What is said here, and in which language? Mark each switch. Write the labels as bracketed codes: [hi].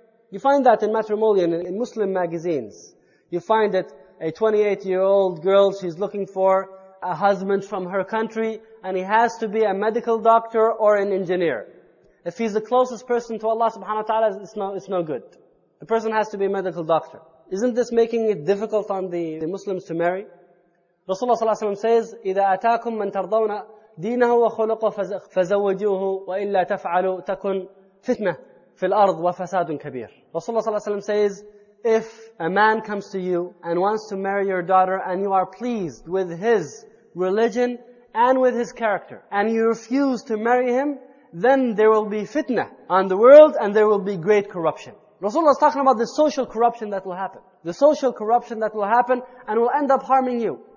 [en] You find that in Matrimonial, in Muslim magazines. You find that a 28-year-old girl, she's looking for a husband from her country, and he has to be a medical doctor or an engineer. If he's the closest person to Allah subhanahu wa ta'ala, it's no good. The person has to be a medical doctor. Isn't this making it difficult on the Muslims to marry? [ar] Rasulullah sallallahu alayhi wa sallam says, إِذَا أَتَاكُم مَن تَرْضَوْنَا دِينَهُ وَخُلُقُهُ فَزَوَّجُوهُ وَإِلَّا تَفْعَلُوا تَكُن فِتْنَةً فِي الْأَرْضِ وَفَسَادٌ كَبِيرٌ. [en] Rasulullah sallallahu alayhi wa sallam says, if a man comes to you and wants to marry your daughter and you are pleased with his religion and with his character and you refuse to marry him, then there will be fitna on the world and there will be great corruption. Rasulullah is talking about the social corruption that will happen. The social corruption that will happen and will end up harming you.